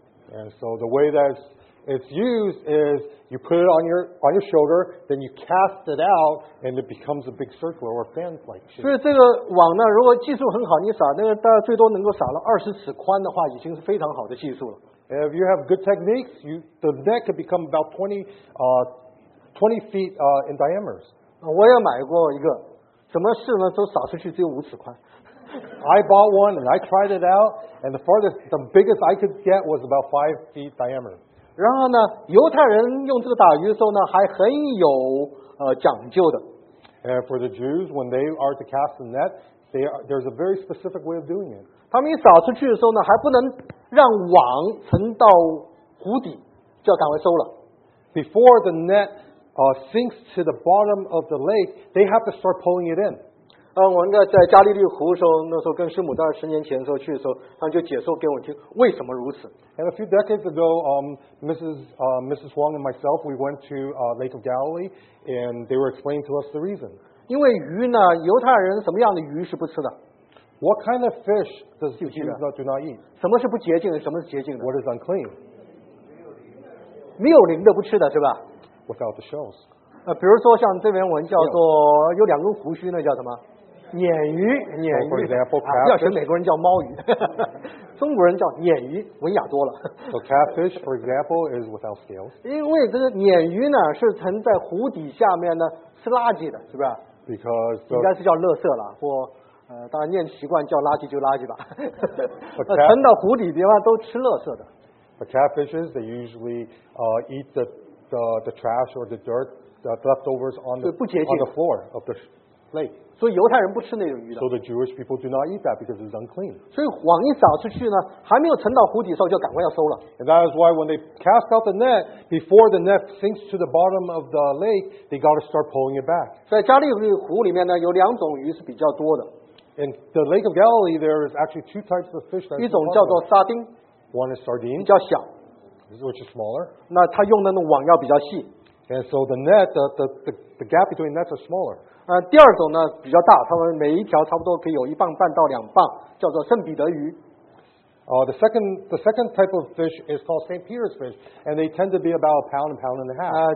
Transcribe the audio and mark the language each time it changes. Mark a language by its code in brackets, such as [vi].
[en] And so the way that it's used is you put it on your shoulder, then you cast it out, and it becomes a big circle or fan-like shape. [zh] 所以这个网呢，如果技术很好，你撒那个大概最多能够撒了二十尺宽的话，已经是非常好的技术了。 [en] If you have good techniques, the net could become about 20 feet in diameter. [zh] 我也买过一个，什么事呢？都撒出去只有五尺宽。 [en] I bought one and I tried it out, and the biggest I could get was about 5 feet diameter. [zh] 然后呢，犹太人用这个打鱼的时候呢，还很有讲究的。 [en] And for the Jews, when they are to cast the net, there's a very specific way of doing it. [zh] 他们一撒出去的时候呢，还不能让网沉到湖底，就要赶快收了。 [en] Before the net sinks to the bottom of the lake, they have to start pulling it in. [zh] 我们在加利利湖的时候，那时候跟师母在10年前的时候去的时候，他们就解说给我听为什么如此。 [en] And a few decades ago, Mrs. Wong and myself, we went to Lake of Galilee, and they were explaining to us the reason. [zh] 因为鱼呢，犹太人什么样的鱼是不吃的？ [en] What kind of fish does the Jews do not eat? [zh] 什么是不洁净的？什么是洁净的？ [en] What is unclean? [zh] 没有鳞的不吃的，是吧？ [en] Without the shells. [zh] 比如说像这篇文叫做有两根胡须，那叫什么？鲶鱼，鲶鱼，要学美国人叫猫鱼，中国人叫鲶鱼，文雅多了。 [en] So catfish, for example, is without scales. [zh] 因为这个鲶鱼呢，是沉在湖底下面呢，吃垃圾的，是不是 [en] ？Because [zh] 应该是叫垃圾了，或当然念习惯叫垃圾就垃圾吧。沉到湖底的话都吃垃圾的。 [en] The catfishes they usually eat the trash or the dirt, the leftovers on the floor of the lake. [zh] 所以犹太人不吃那种鱼的。 [en] So the Jewish people do not eat that because it's unclean. [zh] 所以网一撒出去呢，还没有沉到湖底的时候就赶快要收了。 [en] And that is why when they cast out the net, before the net sinks to the bottom of the lake, they got to start pulling it back. [zh] 在加利利湖里面呢，有两种鱼是比较多的。 [en] In the Lake of Galilee, there is actually two types of fish. [zh] 一种叫做沙丁。 [en] One is sardine. [zh] 比较小。 [en] Which is smaller. [zh] 那它用的那网要比较细。 [en] And so the net, the gap between nets are smaller. [zh] 第二种呢比较大，它们每一条差不多可以有一磅半到两磅，叫做圣彼得鱼。 [en] The second type of fish is called St. Peter's fish, and they tend to be about a pound and a half.